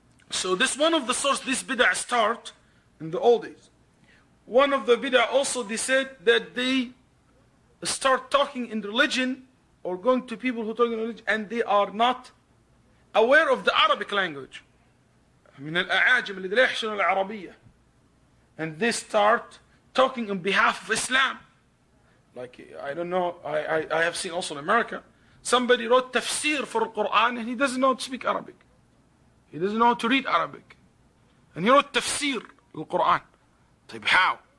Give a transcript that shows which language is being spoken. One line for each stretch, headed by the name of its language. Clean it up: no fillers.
English: So this one of the source, this bid'ah start in the old days. One of the bid'ah also, they said that they start talking in religion or going to people who talk in religion and they are not aware of the Arabic language.
Arabic: من الأعاجم الذين يحشون العربية.
English: And they start talking on behalf of Islam. Like, I don't know, I have seen also in America, somebody wrote tafsir for Quran and he doesn't know how to speak Arabic. He doesn't know how to read Arabic. And he wrote tafsir al Quran. طيب, how?